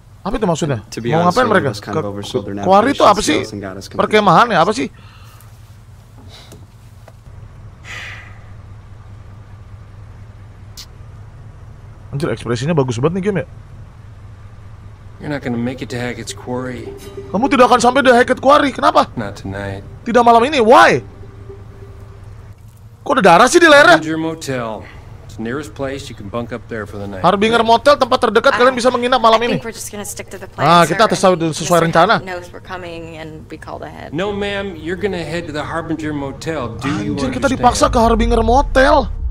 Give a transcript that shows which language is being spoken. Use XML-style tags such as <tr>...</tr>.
<id>Apa itu maksudnya? Mau ngapain mereka? Kuari itu apa sih? Perkemahannya apa sih? Anjir, ekspresinya bagus banget nih game ya.</id> <en>You're not gonna make it to Hackett's Quarry.</en> <id>Kamu tidak akan sampai di Hackett's Quarry. Kenapa?</id> <en>Not tonight.</en> <id>Tidak malam ini.</id> <en>Why?</en> <id>Kok ada darah sih di lehernya?</id> <en>Harbinger Motel. It's the nearest place you can bunk up there for the night.</en> <id>Harbinger Motel, tempat terdekat kalian bisa menginap malam ini. Ah, kita harus sesuai rencana.</id> <en>No, ma'am, you're gonna head to the Harbinger Motel. Do you understand?</en> <id>Kita dipaksa ke Harbinger Motel.</id>